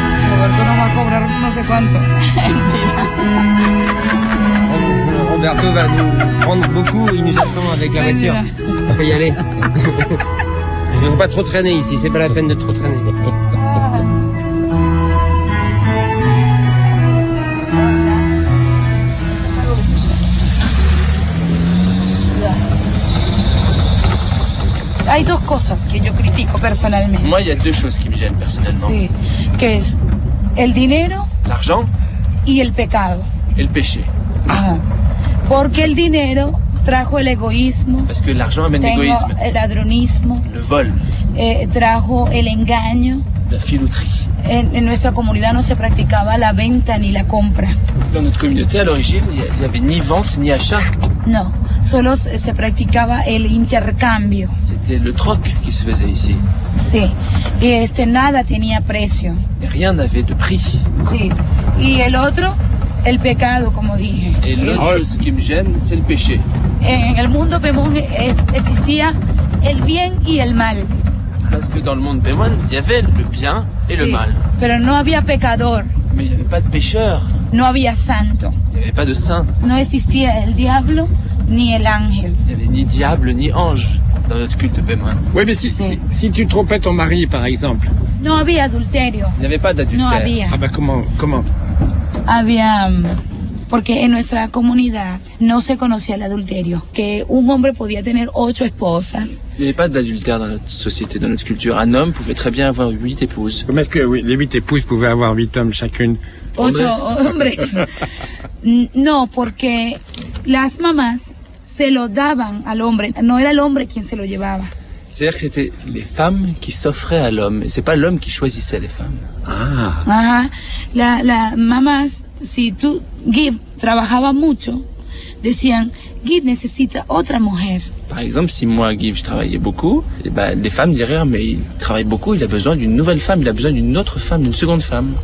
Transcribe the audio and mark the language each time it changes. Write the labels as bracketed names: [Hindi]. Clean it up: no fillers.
[Spanish] Roberto no va a cobrar no sé cuánto. [French] Roberto va nous prendre beaucoup, il nous attend avec la voiture. On peut y aller. Je ne veux pas trop traîner ici, c'est pas la peine de trop traîner. [Spanish] Hay dos cosas que yo critico personalmente. [French] Moi, il y a deux choses qui me gênent personnellement. [Spanish] Sí, que es el dinero, [French] l'argent, [Spanish] y el pecado. [French] El péché. Ah. [Spanish] Porque el dinero trajo el egoísmo. [French] Parce que l'argent amène l'égoïsme. [Spanish] El ladronismo. [French] Le vol. [Spanish] Trajo el engaño. [French] La filouterie. [Spanish] En nuestra comunidad no se practicaba la venta ni la compra. [French] Dans notre communauté à l'origine, il y avait ni vente ni achat. [Spanish] No, solo se practicaba el intercambio. [French] C'était le troc qui se faisait ici. [Spanish] Sí. Y nada tenía precio. [French] Et rien n'avait de prix. [Spanish] Sí. Y el otro, el pecado, como dije. [French] Et l'autre chose qui me gêne, c'est le péché. [Spanish] En el mundo Pemón existía el bien y el mal. [French] Parce que dans le monde Pemón, il y avait le bien et [Spanish] sí, [French] le mal. [Spanish] Pero no había pecador. [French] Mais il n'y avait pas de pécheur. [Spanish] No había santo. [French] Il n'y avait pas de saint. [Spanish] No existía el diablo ni el ángel. [French] Il n'y avait ni diable ni ange dans notre culte Pemón. Oui, mais si, sí. si tu trompais ton mari, par exemple. [Spanish] No había adulterio. [French] Il n'y avait pas d'adultère. [Spanish] No había. [French] Ah ben comment? [Spanish] Había, porque en nuestra comunidad no se conocía el adulterio, que un hombre podía tener 8 esposas. [French] Il n'y avait pas d'adultère dans notre société, dans notre culture. Un homme pouvait très bien avoir 8 épouses. Comment est-ce que oui, les 8 épouses pouvaient avoir 8 hommes chacune? [Spanish] 8 hombres. No, porque las mamás se lo daban al hombre, no era el hombre quien se lo llevaba. [French] C'est-à-dire que c'était les femmes qui s'offraient à l'homme, et c'est pas l'homme qui choisissait les femmes. Ah. Ajá. [Spanish] La mamás, si tu Gib trabajaba mucho, decían Gib necesita otra mujer. [French] Par exemple, si moi Gib je travaillais beaucoup, et ben les femmes diraient mais il travaille beaucoup, il a besoin d'une nouvelle femme, il a besoin d'une autre femme, d'une seconde femme.